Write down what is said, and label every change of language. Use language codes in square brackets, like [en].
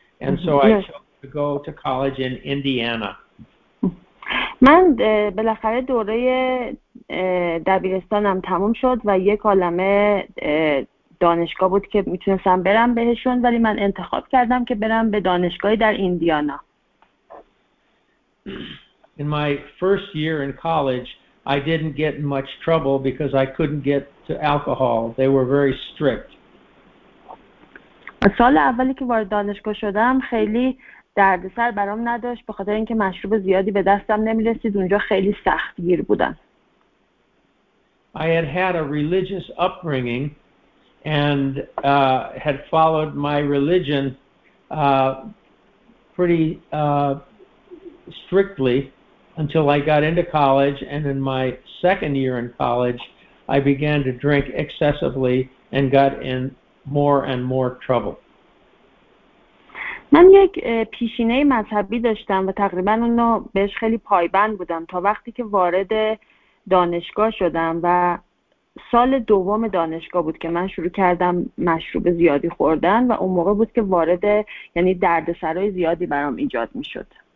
[en] And so I chose to go to college in Indiana. [fa] من بالاخره دوره دبیرستانم تموم شد و یک عالمه دانشگاه بود که میتونستم برم بهشون ولی من انتخاب کردم که برم به دانشگاهی در ایندیانا. [en] In my first year in college, I didn't get in much trouble because I couldn't get to alcohol. They were very strict. [fa] سال اولی که وارد دانشگاه شدم خیلی دردسر برام نداشت به خاطر اینکه مشروب زیادی به دستم نمی‌رسید اونجا خیلی سختگیر بودن. [en] I had had a religious upbringing and had followed my religion pretty strictly until I got into college, and in my second year in college I began to drink excessively and got in more and more trouble. [fa] من یک پیشینه مذهبی داشتم و تقریبا اونو بهش خیلی پایبند بودم تا وقتی که وارد دانشگاه شدم و سال دوم دانشگاه بود که من شروع کردم مشروب زیادی خوردن و اون موقع بود که وارد یعنی دردسرای زیادی برام ایجاد می شد.